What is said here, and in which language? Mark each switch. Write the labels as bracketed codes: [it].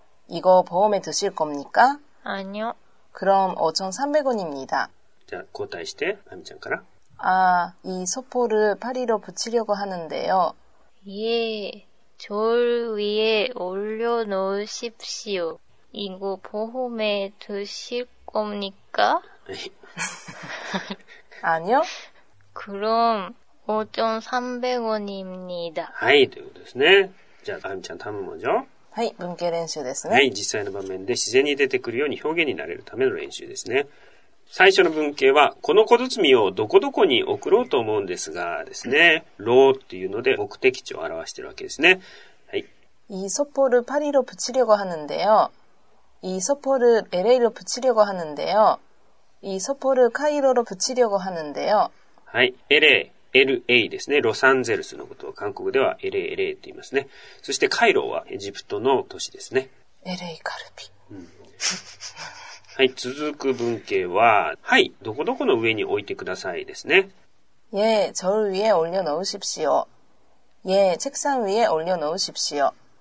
[ko] 이거보험에드실겁니까? 아니요。 그럼5,300원입니다。 [ja] じゃあ、交代して、あみちゃんから。 [ko] あ、이소포를파리로붙이려고하는데요。 [ja] いえ、 [ko] 저울위에올려놓으십시오。 이거보험에드실겁니까? 아니요. 그럼 5,300원입니다. [ja] はい、ということですね。じゃあ、あゆみちゃん、頼むもんじゃ。はい、文型練習ですね。はい、実際の場面で自然に出てくるように表現になれるための練習ですね。最初の文型は、この小包をどこどこに送ろうと思うんですがですね、ローっていうので目的地を表しているわけですね。はい。 [ko] 이소포를파리로붙이려고하는데요。 이소포를 LA 로붙이려고하는데요。 이소포를카이로로붙이려고하는데요。 [ja] はい、LA。 LA ですね。ロサンゼルスのことを韓国では LA と言いますね。そしてカイロはエジプトの都市ですね。 LA カルビ。うん、はい、続く文型は、はい、どこどこの上に置いてくださいですね。 [ko] 예、저울위에올려놓으십시오。 예、책상위에올려놓으십시오。